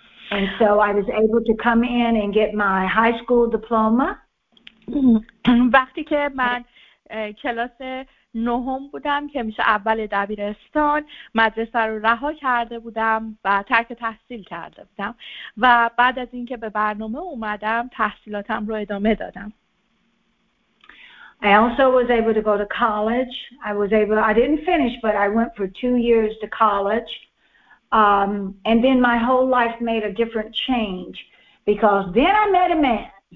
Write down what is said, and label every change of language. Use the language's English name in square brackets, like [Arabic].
[English] And so I was able to come in and get my high school diploma. [Persian] وقتی که من کلاس نهم بودم که میشه اول دبیرستان، مدرسه رو رها کرده بودم و ترک تحصیل کرده بودم و بعد از اینکه به برنامه اومدم تحصیلاتم رو ادامه دادم. [English] I also was able to go to college. I didn't finish, but I went for 2 years to college. And then my whole life made a different change because then I met a man.